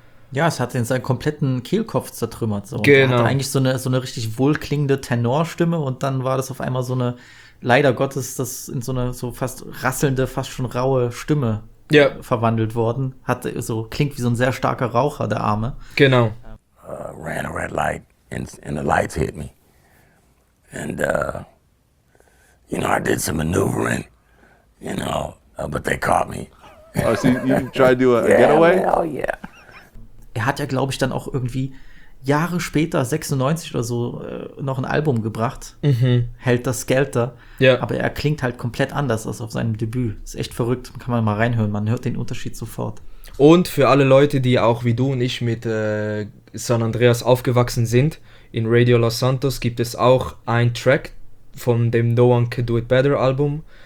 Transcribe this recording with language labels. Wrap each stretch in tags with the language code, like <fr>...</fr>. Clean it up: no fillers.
<de>Ja, es hat ihn seinen kompletten Kehlkopf zertrümmert. So. Genau. Er hatte eigentlich so eine richtig wohlklingende Tenorstimme und dann war das auf einmal so eine, leider Gottes, das in so eine so fast rasselnde, fast schon raue Stimme ja verwandelt worden. Hat so, klingt wie so ein sehr starker Raucher, der Arme. Genau.</de> <en>Ran a red light and the lights hit me. And, you know, I did some maneuvering, you know, but they caught me. Oh, so you tried to do a yeah, getaway? Hell yeah.</en> <de>Er hat ja, glaube ich, dann auch irgendwie Jahre später, 96 oder so, noch ein Album gebracht. Mhm.</de> <en>Helter Skelter.</en> <de>Ja. Aber er klingt halt komplett anders als auf seinem Debüt. Ist echt verrückt. Kann man mal reinhören. Man hört den Unterschied sofort. Und für alle Leute, die auch wie du und ich mit San Andreas aufgewachsen sind, in Radio Los Santos gibt es auch einen Track von dem No One Can Do It Better Album.</de>